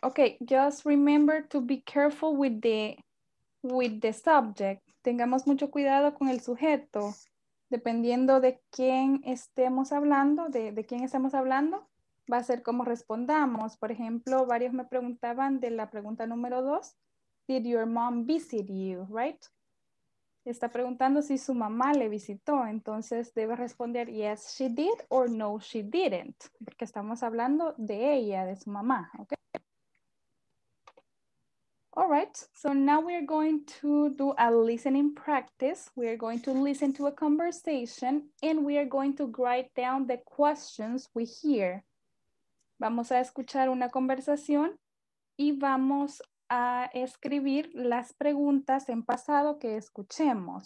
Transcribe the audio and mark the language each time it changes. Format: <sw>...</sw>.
<en>Okay, just remember to be careful with the subject.</en> <es>Tengamos mucho cuidado con el sujeto. Dependiendo de quién estemos hablando, de quién estamos hablando, va a ser como respondamos. Por ejemplo, varios me preguntaban de la pregunta número 2.</es> <en>Did your mom visit you, right?</en> <es>Está preguntando si su mamá le visitó. Entonces debe responder</es> <en>yes, she did or no, she didn't.</en> <es>Porque estamos hablando de ella, de su mamá.</es> <en>Okay? All right. So now we are going to do a listening practice. We are going to listen to a conversation and we are going to write down the questions we hear.</en> <es>Vamos a escuchar una conversación y vamos a escribir las preguntas en pasado que escuchemos.</es>